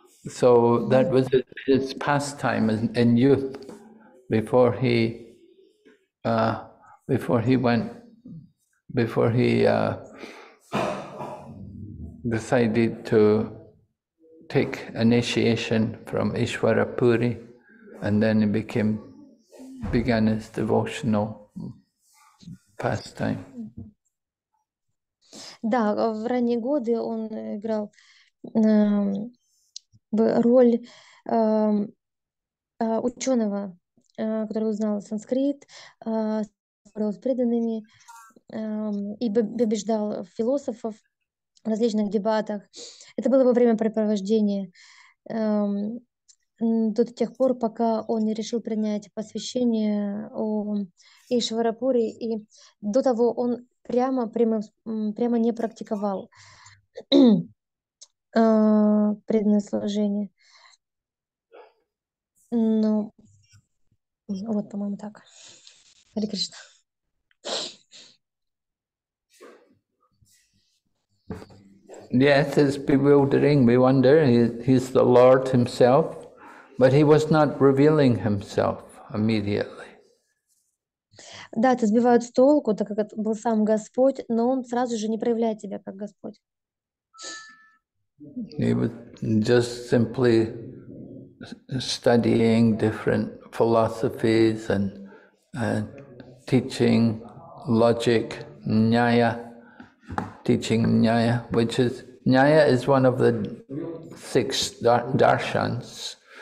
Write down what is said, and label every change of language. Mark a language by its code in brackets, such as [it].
[en] So that was his pastime in youth, before he decided to take initiation from Ishwarapuri, and then he began his devotional pastime. [ru] Да, в ранние годы он играл роль ученого, который узнал санскрит, говорил с преданными и побеждал философов. В различных дебатах. Это было во время препровождения до тех пор, пока он не решил принять посвящение у Ишварапури, и до того он прямо не практиковал преданное служение. Ну, вот, по-моему, так. Хари Кришна. [en] Yes, it's bewildering. We wonder, he's the Lord himself, but he was not revealing himself immediately. [ru] Да, это сбивает с толку, так как это был сам Господь, но он сразу же не проявляет себя как Господь. [en] He was just simply studying different philosophies and teaching logic, nyaya, which is Nyaya is one of the six darshans.